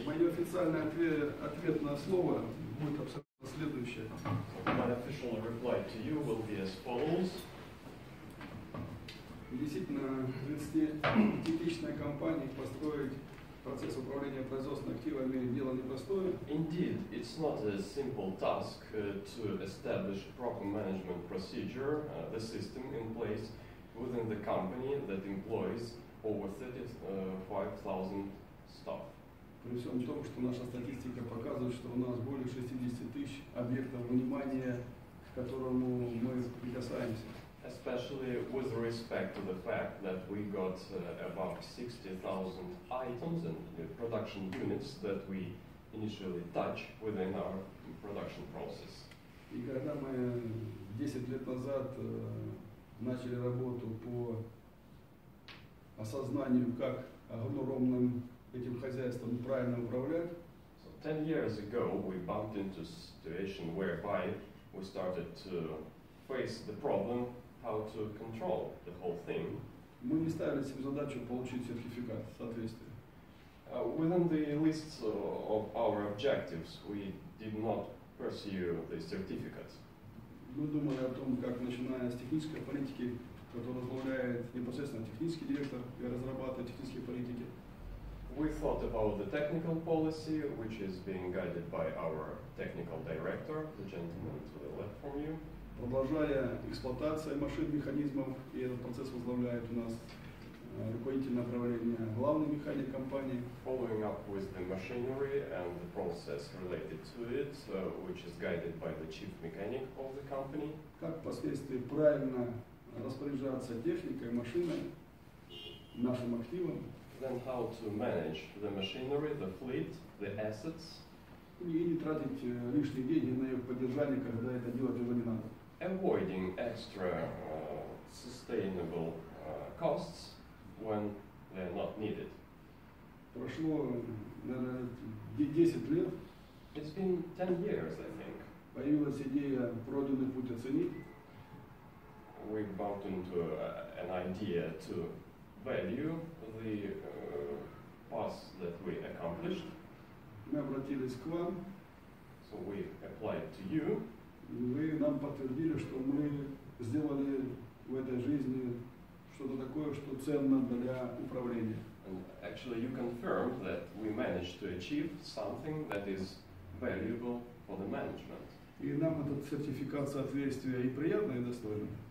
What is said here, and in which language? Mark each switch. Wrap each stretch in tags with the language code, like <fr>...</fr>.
<ru>официальный ответ на слово будет абсолютно следующее.</ru> <en>My official reply to you will be as follows.</en> <ru>Действительно, если типичная компания построить процесс управления производственными активами дело непростое.</ru> <en>Indeed, it's not a simple task to establish proper management procedure, the system in place within the company that employs over 35,000 staff.</en> <ru>При всем том, что наша статистика показывает, что у нас более 60 тысяч объектов внимания, к которому мы прикасаемся.</ru> <en>Especially with respect to the fact that we got about 60,000 items and production units that we initially touch within our production process.</en> <ru>И когда мы 10 лет назад начали работу по осознанию, как огромным этим хозяйством правильно управлять.</ru> <en>So 10 years ago we bumped into a situation whereby we started to face the problem how to control the whole thing.</en> <ru>Мы не ставили себе задачу получить сертификат соответствия.</ru> <en>Within the list of our objectives, we did not pursue the certificates.</en> <ru>Мы думали о том, как начиная с технической политики, которую возглавляет непосредственно технический директор и разрабатывает технические политики.</ru> <en>We thought about the technical policy, which is being guided by our technical director, the gentleman to the left from you.</en> <ru>Продолжая эксплуатация машин, механизмов, и этот процесс возглавляет у нас руководитель направления, главный механик компании.</ru> <en>Following up with the machinery and the process related to it, which is guided by the chief mechanic of the company.</en> <ru>Как впоследствии правильно распоряжаться техникой, машиной, нашим активом.</ru> <en>Then how to manage the machinery, the fleet, the assets.</en> <ru>И не тратить лишние деньги на их поддержание, когда это делать уже не надо.</ru> <en>Avoiding extra sustainable costs when they are not needed.</en> <ru>Прошло, наверное, 10 лет.</ru> <en>It's been 10 years, I think.</en> <ru>Появилась идея пройденный путь оценить.</ru> <en>We bumped into an idea to value the path that we accomplished.</en> <ru>Мы обратились к вам.</ru> <en>So we applied to you.</en> <ru>Вы нам подтвердили, что мы сделали в этой жизни что-то такое, что ценно для управления.</ru> <en>And actually, you confirmed that we managed to achieve something that is valuable for the management.</en> <ru>И нам этот сертификат соответствия и приятно, и достойно.</ru>